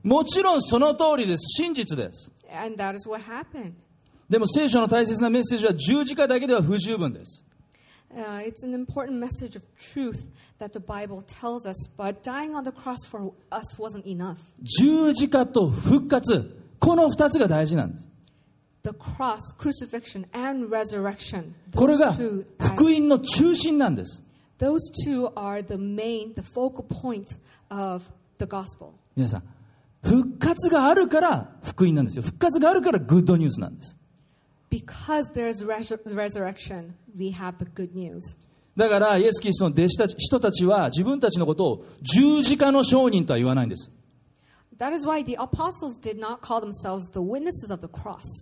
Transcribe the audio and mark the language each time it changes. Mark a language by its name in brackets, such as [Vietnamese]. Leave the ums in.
[Japanese] もちろんその通りです、真実です。 [English] And that is what happened. [Japanese] でも聖書の大切なメッセージは十字架だけでは不十分です。 [English] Uh, it's an important message of truth that the Bible tells us, but dying on the cross for us wasn't enough. [Japanese] 十字架と復活、この二つが大事なんです。 [English] The cross, crucifixion, and resurrection, [Japanese] これが福音の中心なんです。 [English] Those two are the main, the focal point of the gospel. [Japanese] 皆さん、復活があるから福音なんですよ。復活があるからグッドニュースなんです。 [English] Because there's resurrection, we have the good news. [Japanese] だから、イエス・キリストの弟子たち、人たちは自分たちのことを十字架の証人とは言わないんです。 [English] That is why the apostles did not call themselves the witnesses of the cross.